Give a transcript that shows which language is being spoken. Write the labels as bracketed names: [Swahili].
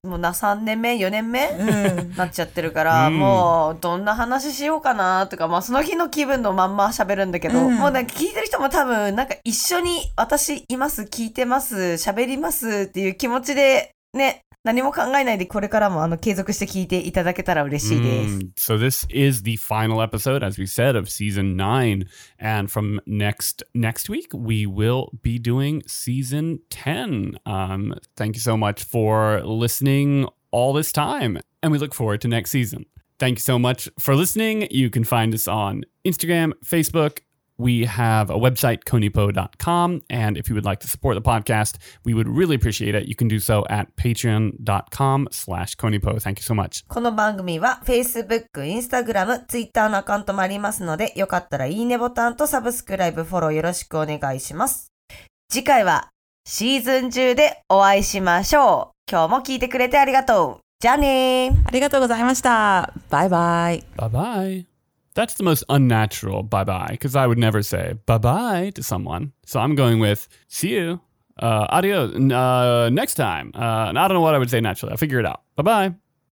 [Japanese] もうな、3年目、4年目、なっちゃってるから、もうどんな話しようかなとか、まあその日の気分のまんま喋るんだけど、もうね、聞いてる人も多分、なんか一緒に私います、聞いてます、喋りますっていう気持ちで、ね、何も考えないでこれからも継続して聞いていただけたら嬉しいです。 [English] So this is the final episode, as we said, of season 9. And from next week, we will be doing season 10. Thank you so much for listening all this time. And we look forward to next season. Thank you so much for listening. You can find us on Instagram, Facebook. We have a website, konipo.com, and if you would like to support the podcast, we would really appreciate it. You can do so at patreon.com/konipo. Thank you so much. [Japanese] この番組は Facebook、Instagram、Twitter のアカウントもありますので、よかったらいいねボタンとサブスクライブ、フォローよろしくお願いします。次回はシーズン中でお会いしましょう。今日も聞いてくれてありがとう。じゃあねー。ありがとうございました。バイバイ。バイバイ。 [English] That's the most unnatural bye-bye, because I would never say bye-bye to someone. So I'm going with, see you. Adios. Next time. I don't know what I would say naturally. I'll figure it out. Bye-bye.